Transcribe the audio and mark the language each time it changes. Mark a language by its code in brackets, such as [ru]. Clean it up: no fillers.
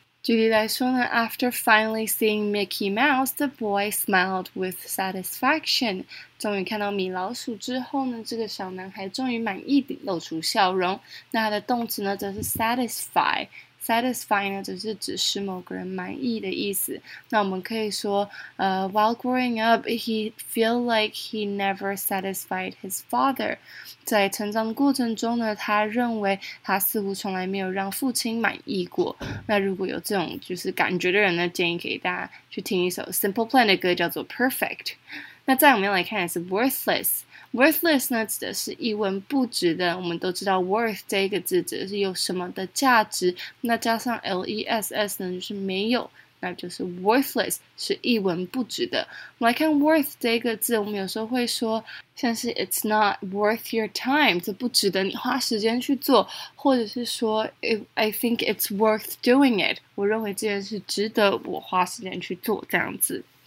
[zh] 举例来说呢 [en] ，After finally seeing Mickey Mouse, the boy smiled with satisfaction. [zh] 终于看到米老鼠之后呢，这个小男孩终于满意地露出笑容。那它的动词呢，则是 satisfy。Satisfy 呢，则是指使某个人满意的意思。那我们可以说， [en] while growing up, he feel like he never satisfied his father. [zh] 在成长的过程中呢，他认为他似乎从来没有让父亲满意过。那如果有这种就是感觉的人呢，建议给大家去听一首 Simple Plan 的歌，叫做 Perfect。那再我们来看的是 worthless。Worthless 呢指的是一文不值的我们都知道 worth 这个字指的是有什么的价值那加上 less 呢就是没有那就是 worthless 是一文不值的我们来看 worth 这个字我们有时候会说像是 [en] it's not worth your time [zh] 这不值得你花时间去做或者是说 [en] I think it's worth doing it [zh] 我认为这件事值得我花时间去做这样子